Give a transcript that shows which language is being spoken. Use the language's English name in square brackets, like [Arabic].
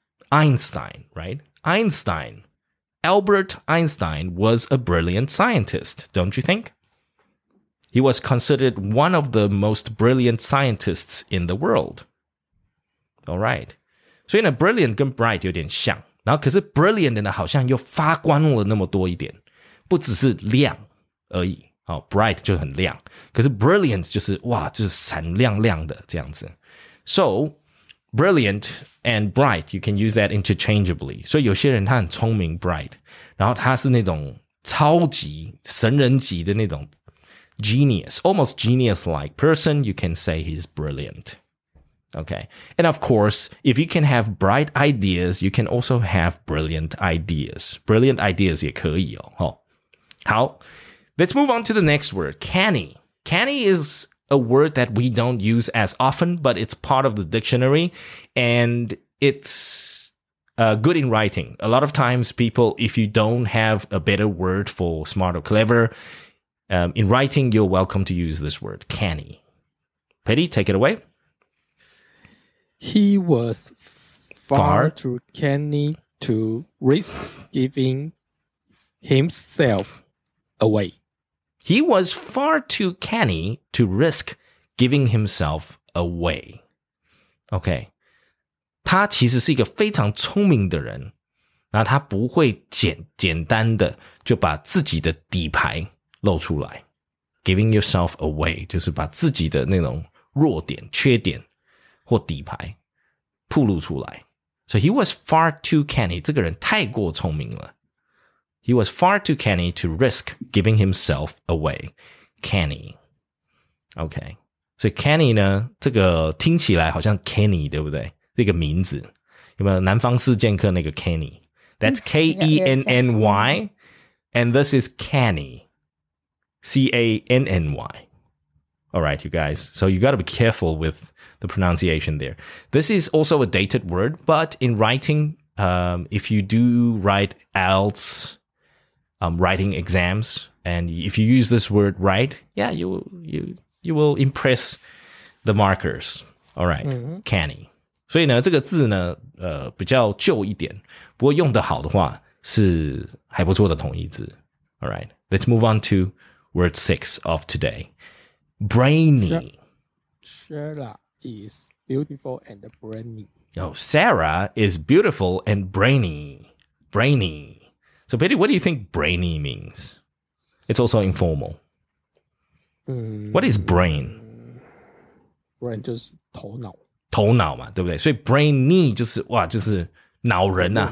[English] Einstein, right? Einstein. Albert Einstein was a brilliant scientist, don't you think? He was considered one of the most brilliant scientists in the world. All right. [Chinese] So, in a brilliant 跟 bright 有点像，然后可是 brilliant 呢好像又发光了那么多一点，不只是亮而已。好， bright 就很亮，可是 brilliant 就是哇，就是闪亮亮的这样子。 [English] So,Brilliant and bright, you can use that interchangeably. [Chinese] 所以有些人他很聪明 bright, 然后他是那种超级神人级的那种 genius, [English] almost genius-like person, you can say he's brilliant. Okay. And of course, if you can have bright ideas, you can also have brilliant ideas. Brilliant ideas [Chinese] 也可以哦。 好, [English] let's move on to the next word, canny. Canny is... A word that we don't use as often, but it's part of the dictionary, and it's good in writing. A lot of times people, if you don't have a better word for smart or clever, in writing, you're welcome to use this word, canny. Petty, take it away. He was far too canny to risk giving himself away. He was far too canny to risk giving himself away. Okay. [Chinese] 他其实是一个非常聪明的人，那他不会简单的就把自己的底牌露出来。 [English] Giving yourself away, [Chinese] 就是把自己的那种弱点、缺点或底牌暴露出来。 [English] So he was far too canny, [Chinese] 这个人太过聪明了。 [English] He was far too canny to risk giving himself away. Canny. Okay. [Chinese] So canny 呢，这个听起来好像 canny, 对不对？这个名字。有没有南方四剑客那个 canny? [English] That's K-E-N-N-Y. And this is canny. C-A-N-N-Y. All right, you guys. So you got to be careful with the pronunciation there. This is also a dated word, but in writing, if you do write else... writing exams, and if you use this word right, yeah, you will impress the markers. All right,、mm-hmm. canny. [Chinese] 所以呢，这个字呢，比较旧一点，不过用得好的话是还不错的同义字。 [English] All right, let's move on to word six of today. Brainy. Sarah is beautiful and brainy. Oh, Sarah is beautiful and brainy. Brainy. So, Petty, what do you think brainy means? It's also informal.、What is brain? [Chinese] Brain 就是头脑。头脑嘛，对不对？所以 brainy 就是哇，就是脑人啊。